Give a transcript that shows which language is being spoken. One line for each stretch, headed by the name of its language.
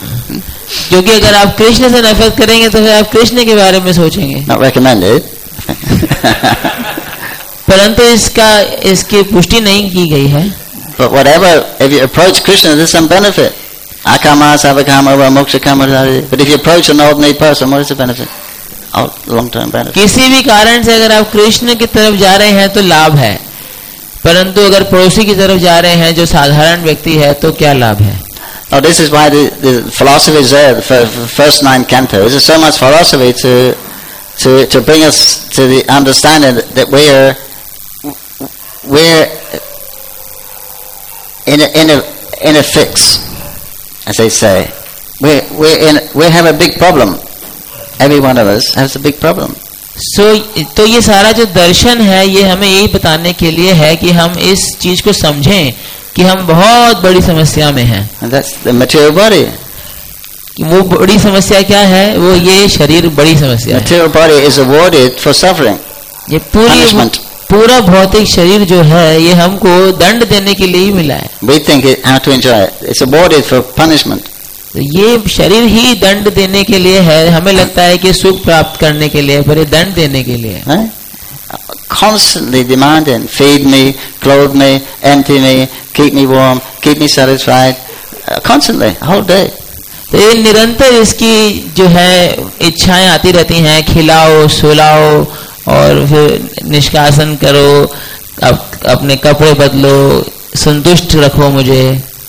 Hindi: क्योंकि अगर आप कृष्ण से नफरत करेंगे तो फिर आप कृष्ण के बारे में सोचेंगे.
English: Not recommended.
Hindi: परंतु इसकी पुष्टि नहीं की गई है.
English: But whatever, if you approach Krishna, there's some benefit.
Sanskrit: Akama, Savakama, Moksha Kama.
English: But if you approach an ordinary person, what is the benefit? Long-term benefit.
Hindi: किसी भी कारण से अगर आप कृष्ण की तरफ जा रहे हैं तो लाभ है. परंतु अगर पड़ोसी की तरफ जा रहे हैं जो साधारण व्यक्ति है तो क्या लाभ है?
English: Now this is why the philosophy is there, the first nine cantos. There's so much philosophy to bring us to the understanding that we're in a fix, as they say. We have a big problem. Every one of us has a big problem.
Hindi: So ये सारा जो दर्शन है ये हमें यही बताने के लिए है कि हम इस चीज को समझें कि हम बहुत बड़ी समस्या में हैं.
English: And that's the material body.
Hindi: वो बड़ी समस्या क्या है? वो ये शरीर बड़ी समस्या.
English: Material body is awarded for suffering.
Hindi: ये पूरा भौतिक शरीर जो है ये हमको दंड देने के लिए ही मिला है.
English: We think it has to enjoy it. It's a body for punishment.
Hindi: ये शरीर ही दंड देने के लिए है. हमें लगता है कि सुख प्राप्त करने के लिए, पर ये दंड देने के लिए.
English: Constantly demanding, feed me, clothe me, empty me, keep me warm, keep me satisfied. Constantly, whole day.
Hindi: तो ये निरंतर इसकी जो है इच्छाएं आती रहती हैं, खिलाओ, सुलाओ और फिर निष्कासन करो, अपने कपड़े बदलो, संतुष्ट रखो मुझे.